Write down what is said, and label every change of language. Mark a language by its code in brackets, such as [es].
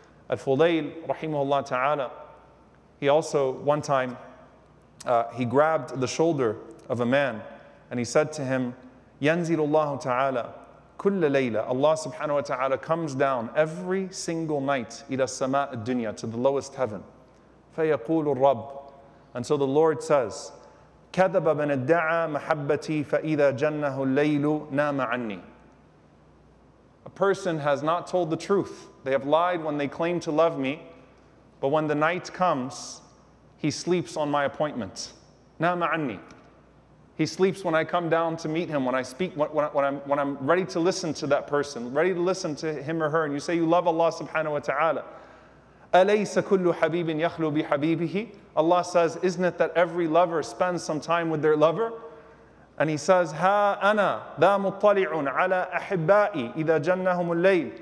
[en] Al-Fudayl, rahimahullah ta'ala, he also, one time, he grabbed the shoulder of a man, and he said to him, [ar] يَنْزِلُ اللَّهُ تَعَالَى كُلَّ لَيْلَ. [en] Allah subhanahu wa ta'ala comes down every single night, [ar] إِلَى السَّمَاءِ الدُّنْيَا, [en] to the lowest heaven. [ar] فَيَقُولُ الرَّبُّ. [en] And so the Lord says, [ar] كَذَبَ مَنَ الدَّعَى مَحَبَّتِي فَإِذَا جَنَّهُ اللَّيْلُ نَامَ عَنِّي. [en] A person has not told the truth. They have lied when they claim to love me, but when the night comes, he sleeps on my appointment. [ar] نَامَ عَنِّي. [en] He sleeps when I come down to meet him, when I speak, when I'm ready to listen to that person, ready to listen to him or her, and you say you love Allah subhanahu wa ta'ala. [ar] أَلَيْسَ كُلُّ حَبِيبٍ يَخْلُو بِحَبِيبِهِ. [en] Allah says, isn't it that every lover spends some time with their lover? And he says, [ar] هَا أَنَا ذَا مُطَّلِعٌ عَلَى أَحِبَّائِي إِذَا جَنَّهُمُ اللَّيْلِ.